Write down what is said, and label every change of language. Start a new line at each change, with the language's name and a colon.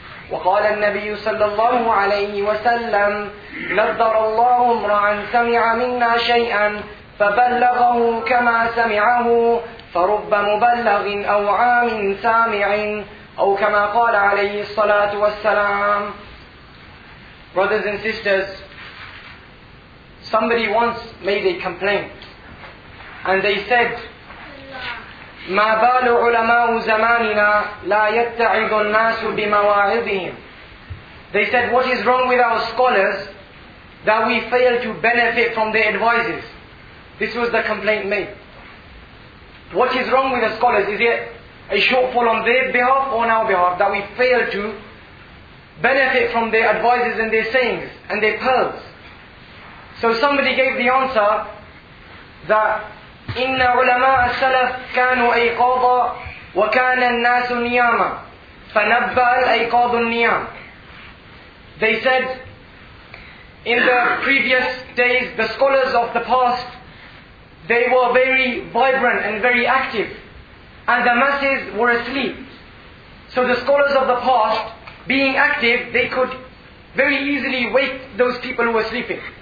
Arabic: وقال النبي صلى الله عليه وسلم نذر الله امرأ سمع منا شيئا فبلغه كما سمعه فرب مبلغ أو عام سامع. أو كما قال عليه الصلاة والسلام.
English: Brothers and sisters, somebody once made a complaint and they said
Arabic: ما بال علماء زماننا لا يتعظ الناس بمواعظهم.
English: They said, what is wrong with our scholars that we fail to benefit from their advices? This was the complaint made. What is wrong with the scholars? Is it a shortfall on their behalf or on our behalf that we fail to benefit from their advices and their sayings and their pearls? So somebody gave the answer that
Arabic: إن علماء السلف كانوا أيقاظا وكان الناس نياما. فنبأ الأيقاظ النيام.
English: They said, in the previous days, the scholars of the past, they were very vibrant and very active, and the masses were asleep. So the scholars of the past, being active, they could very easily wake those people who were sleeping.